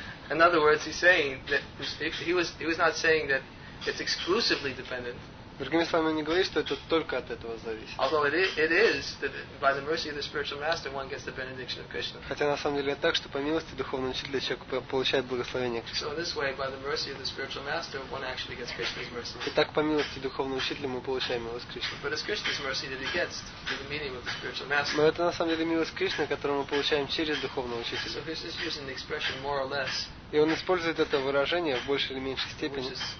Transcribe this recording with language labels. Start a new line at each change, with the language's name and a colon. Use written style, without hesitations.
English: In other words, he's saying that he was not saying that it's exclusively dependent.
Russian: Другими словами, он не говорит, что это только от этого зависит.
English: Although it is that by the mercy of the spiritual master one gets the benediction of Krishna.
Russian: Хотя на самом деле это так, что по милости духовного учителя человек получает благословение Кришны.
English: So in this way, by the mercy of the spiritual master, one actually gets Krishna's mercy.
Russian: И так по милости духовного учителя мы получаем милость Кришны.
English: But it's Krishna's mercy that he gets through the meaning of the spiritual master.
Russian: Но это на самом деле милость Кришны, которую мы получаем через духовного учителя.
English: So Krishna's using the expression more or less.
Russian: И он использует это выражение в большей или меньшей степени.